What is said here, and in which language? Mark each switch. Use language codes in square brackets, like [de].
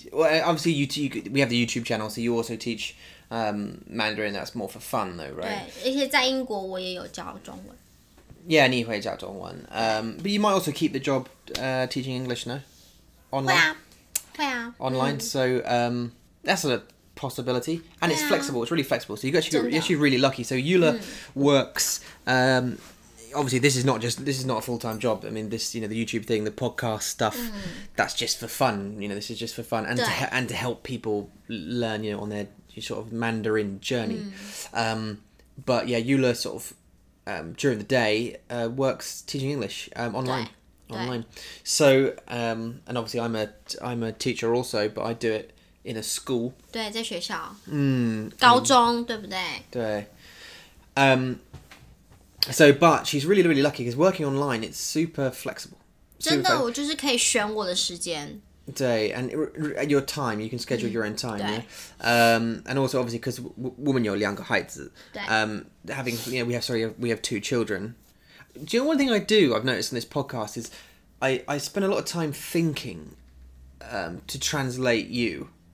[en] Well, obviously, we have the YouTube channel, so you also teach Mandarin. That's more for fun, though, right? [zh] 对，而且在英国我也有教中文。 [en] Yeah, [zh] 你也会教中文。 [en] But you might also keep the job teaching English, no? Online? [zh] 会啊。 [en] So, that's a possibility. And it's flexible. It's really flexible. So you're actually really lucky. So Eula works... Obviously, this is not a full-time job. I mean, this, you know, the YouTube thing, the podcast stuff, that's just for fun. You know, this is just for fun and to help people learn, you know, on their sort of Mandarin journey. But yeah, Eula sort of, during the day, works teaching English online. So, and obviously I'm a teacher also, but I do it in a school. [zh] 对，在学校。高中，对不对？对。 [en] So, but she's really, really lucky because working online, it's super flexible. [zh] 真的，我就是可以选我的时间。对 [en] ，and your time, you can schedule your own time. Yeah? And also, obviously, because [zh] 我们有两个孩子。对。 [en] Having, you know, we have two children. Do you know one thing I do? I've noticed in this podcast is, I spend a lot of time thinking, to translate you.